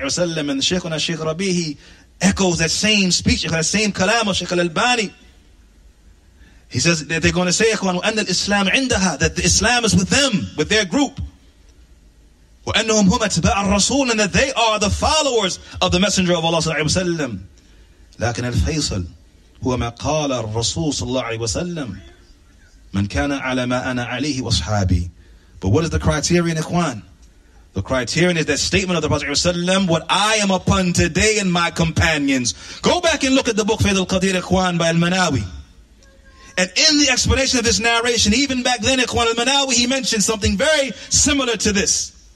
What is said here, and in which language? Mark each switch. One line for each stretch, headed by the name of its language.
English: And the Shaykhuna Shaykh Rabi, he echoes that same speech, that same kalam of Shaykh al-Albani. He says that they're going to say, ikhwan,
Arabic: وَأَنَّ الْإِسْلَامِ عِنْدَهَا,
English: that the Islam is with them, with their group.
Arabic: وَأَنَّهُمْ هُمَ تَبَعَ الرَّسُولِ,
English: and that they are the followers of the Messenger of Allah sallallahu alayhi wa sallam.
Arabic: لَكِنَ الْفَيْصَلُ هُوَ مَا قَالَ الرَّسُولُ sallallahu alayhi wa sallam. مَنْ كَانَ عَلَى مَا أَنَا عَلَيْهِ وَصْحَابِي.
English: But what is the criterion, ikhwan? The criterion is that statement of the Prophet sallallahu alayhi wa sallam, what I am upon today and my companions. Go back and look at the book Faidh al-Qadir, ikhwan, by al-Manawi. And in the explanation of this narration, even back then, ikhwan al-Manawi, he mentioned something very similar to this.